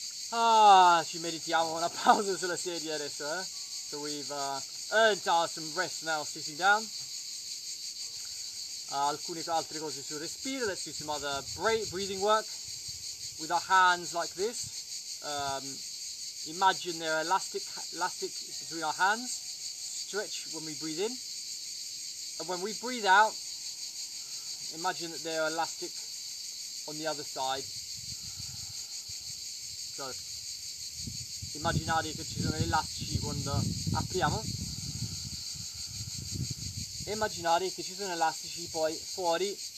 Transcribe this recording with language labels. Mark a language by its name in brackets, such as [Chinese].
[Italian] Ah, ci meritiamo una pausa sulla sedia adesso, eh? [English] So we've earned our some rest now sitting down. [Italian] Alcune altre cose sul respiro. [English] Let's do some other breathing work with our hands like this. Imagine they're elastic between our hands. Stretch when we breathe in, and when we breathe out. Imagine that they're elastic on the other side. [Italian] So, immaginate che ci sono elastici quando apriamo. Immaginate che ci sono elastici poi fuori.